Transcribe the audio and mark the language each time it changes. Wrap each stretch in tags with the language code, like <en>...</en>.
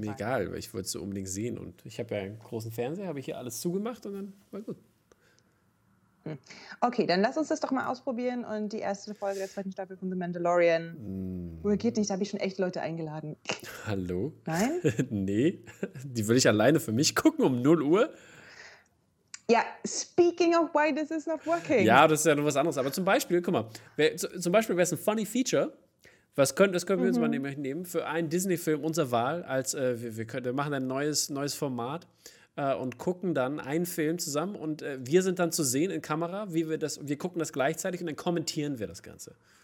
<de>Nee, ist mir egal, weil ich wollte es so unbedingt sehen. Und ich habe ja einen großen Fernseher, habe ich hier alles zugemacht und dann war gut. Okay, dann lass uns das doch mal ausprobieren und die erste Folge der zweiten Staffel von The Mandalorian. Wohl geht nicht, da habe ich schon echt Leute eingeladen. Hallo? Nein? Nee, die würde ich alleine für mich gucken um 0 Uhr.</de> <en>Ja, speaking of why this is not working.</en> <de>Ja, das ist ja noch was anderes. Aber zum Beispiel, guck mal, zum Beispiel wäre es ein funny Feature. Das können wir uns mal nehmen für einen Disney-Film unserer Wahl. Wir machen ein neues Format. Und gucken dann einen Film zusammen und wir sind dann zu sehen in Kamera, wir gucken das gleichzeitig und dann kommentieren wir das Ganze.</de>